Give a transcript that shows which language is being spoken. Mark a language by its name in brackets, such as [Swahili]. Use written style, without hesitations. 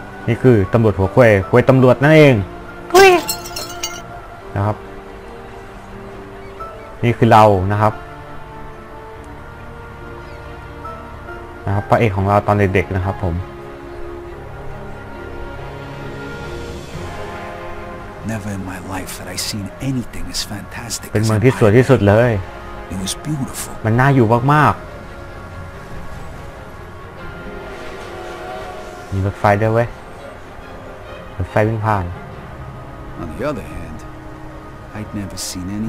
[Thai] คือตำรวจหัวควยควยตำรวจนั่นเองนะครับนี่คือเรานะครับนะครับพระเอกของเราตอนเด็กๆนะครับผม [English] Never in my life that I seen anything as fantastic [Thai] เป็นเมืองที่สวยที่สุดเลย [English] It was beautiful [Thai] มันน่าอยู่มากๆมีรถไฟด้วยเว้ยรถไฟวิ่งผ่าน [English] On the other hand I'd never seen anything